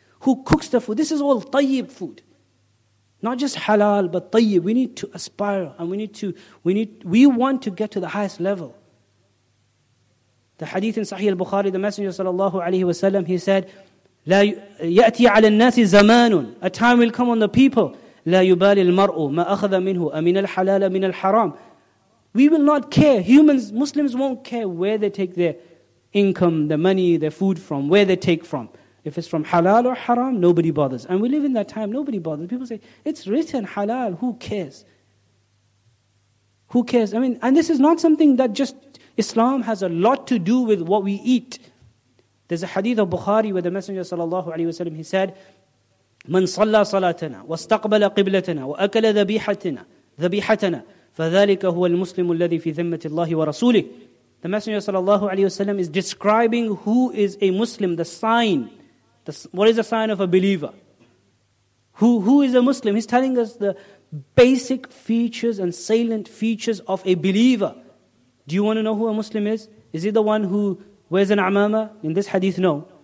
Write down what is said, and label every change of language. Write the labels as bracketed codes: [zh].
[en] Who cooks the food? This is all tayyib food. Not just halal, but tayyib. We need to aspire and we want to get to the highest level. The hadith in Sahih al-Bukhari, the Messenger sallallahu alayhi wa sallam, he said, [ar] لا يأتي على الناس زمان. [en] A time will come on the people. [ar] لا يبالي المرء ما أخذ منه أمن الحلال أمن الحرام. [en] We will not care. Humans, Muslims won't care where they take their income, the money, the food from, where they take from. If it's from halal or haram, nobody bothers. And we live in that time, nobody bothers. People say, it's written halal, who cares? Who cares? I mean, and this is not something that just Islam has a lot to do with what we eat. There's a hadith of Bukhari where the Messenger sallallahu alaihi wasallam, he said, [ar] من صلى صلاتنا واستقبل قبلتنا وأكل ذبيحتنا فذلك هو المسلم الذي في ذمة الله ورسوله. [en] The Messenger sallallahu alaihi wasallam is describing who is a Muslim, the sign. What is the sign of a believer? Who is a Muslim? He's telling us the basic features and salient features of a believer. Do you want to know who a Muslim is? Is he the one who wears an amama? In this hadith, no.